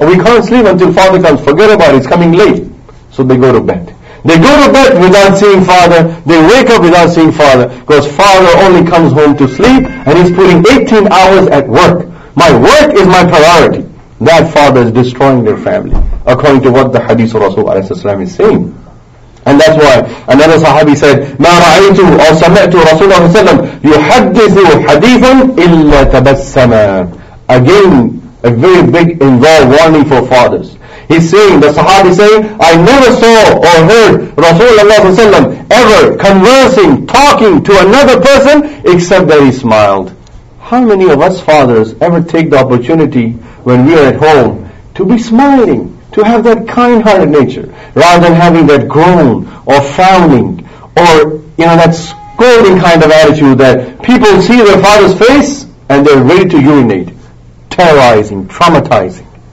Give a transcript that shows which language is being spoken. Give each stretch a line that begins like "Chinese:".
English: We can't sleep until father comes. Forget about it, it's coming late. So they go to bed. They go to bed without seeing father. They wake up without seeing father. Because father only comes home to sleep and he's putting 18 hours at work. My work is my priority. That father is destroying their family, according to what the hadith of Rasulullah is saying. And that's why another sahabi said,
Arabic: مَا رَعَيْتُ أَوْ سَمَعْتُ رَسُولَ اللَّهِ سَلَّمْ يُحَدِّثُ حَدِيثًا إِلَّا تَبَسَّمَا.
English: Again, a very big involved warning for fathers. He's saying, the sahabi is saying, I never saw or heard Rasulullah ever conversing, talking to another person except that he smiled. How many of us fathers ever take the opportunity when we are at home to be smiling, to have that kind-hearted nature, rather than having that groan or frowning or, you know, that scolding kind of attitude that people see their father's face and they're ready to urinate, terrorizing, traumatizing.